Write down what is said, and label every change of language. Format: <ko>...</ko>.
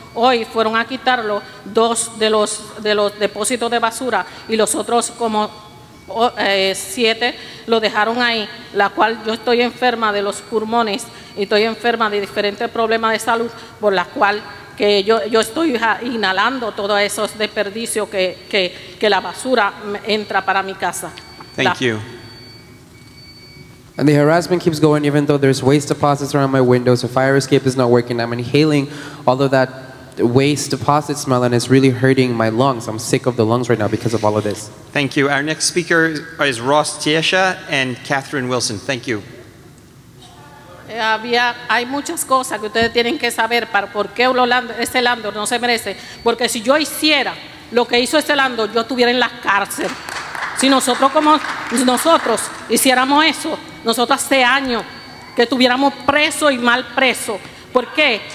<es>Hoy fueron a quitarlo dos de los depósitos de basura y los otros como 7 lo dejaron ahí, la cual yo estoy enferma de los pulmones y estoy enferma de diferentes problemas de salud, por la cual que yo estoy inhalando todos esos desperdicios que la basura entra para mi casa.</es> <en>Thank you. And the harassment keeps going, even though there's waste deposits around my windows. A fire escape is not working. I'm inhaling all of that waste deposit smell, and it's really hurting my lungs. I'm sick of the lungs right now because of all of this. Thank you. Our next speaker is Ross Tiesha and Catherine Wilson. Thank you.</en> <es>Hay muchas cosas que ustedes tienen que saber para por qué este landlord no se merece. Porque si yo hiciera lo que hizo este landlord, yo estuviera en la cárcel. Si nosotros como nosotros hiciéramos eso, nosotros hace años que estuviéramos presos y mal presos. ¿Por qué?</es>